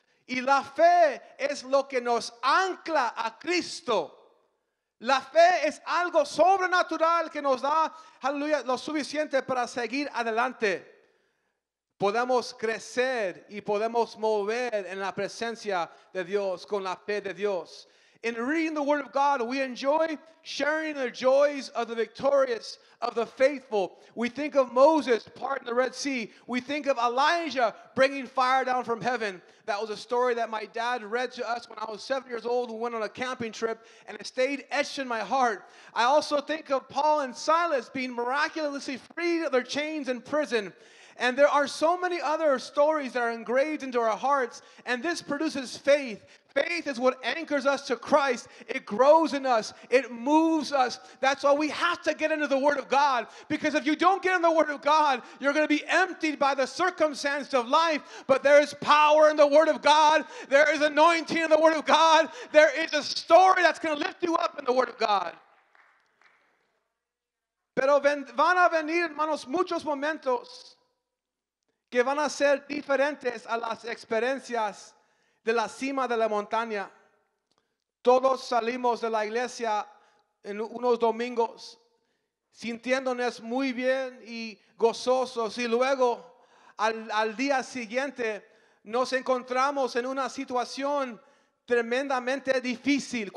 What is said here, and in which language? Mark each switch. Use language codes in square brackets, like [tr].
[es] Y la fe es lo que nos ancla a Cristo. La fe es algo sobrenatural que nos da, aleluya, lo suficiente para seguir adelante. Podemos crecer y podemos mover en la presencia de Dios, con la fe de Dios. [en] In reading the Word of God, we enjoy sharing the joys of the victorious, of the faithful. We think of Moses parting the Red Sea. We think of Elijah bringing fire down from heaven. That was a story that my dad read to us when I was 7 years old. We went on a camping trip, and it stayed etched in my heart. I also think of Paul and Silas being miraculously freed of their chains in prison. And there are so many other stories that are engraved into our hearts, and this produces faith. Faith is what anchors us to Christ. It grows in us. It moves us. That's why we have to get into the Word of God, because if you don't get in the Word of God, you're going to be emptied by the circumstances of life. But there is power in the Word of God. There is anointing in the Word of God. There is a story that's going to lift you up in the Word of God. [es] Pero van a venir, hermanos, muchos momentos que van a ser diferentes a las experiencias de la cima de la montaña. Todos salimos de la iglesia en unos domingos sintiéndonos muy bien y gozosos, y luego al día siguiente nos encontramos en una situación tremendamente difícil.